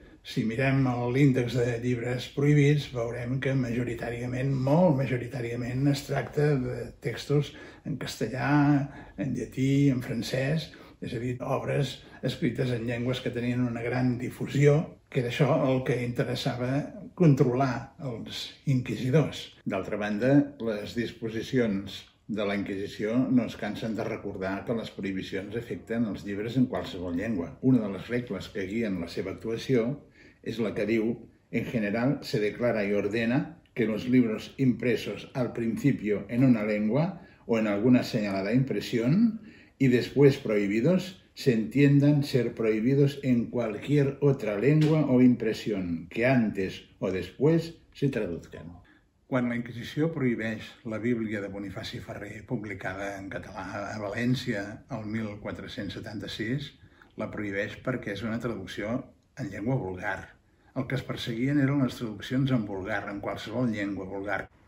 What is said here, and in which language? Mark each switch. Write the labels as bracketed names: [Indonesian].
[Catalan] Si mirem l'índex de llibres prohibits, veurem que majoritàriament, molt majoritàriament, es tracta de textos en castellà, en llatí, en francès, és a dir, obres escrites en llengües que tenien una gran difusió, que era això el que interessava controlar els inquisidors. D'altra banda, les disposicions de la Inquisició no es cansen de recordar que les prohibicions afecten els llibres en qualsevol llengua. Una de les regles que guien la seva actuació és la que diu: [Spanish] en general se declara y ordena que los libros impresos al principio en una lengua o en alguna señalada impresión y después prohibidos se entiendan ser prohibidos en cualquier otra lengua o impresión que antes o después se traduzcan. [Catalan] Quan la Inquisició prohibeix la Bíblia de Bonifaci Ferrer publicada en català a València el 1476, la prohibeix perquè és una traducció en llengua vulgar. El que es perseguien eren les traduccions en vulgar, en qualsevol llengua vulgar.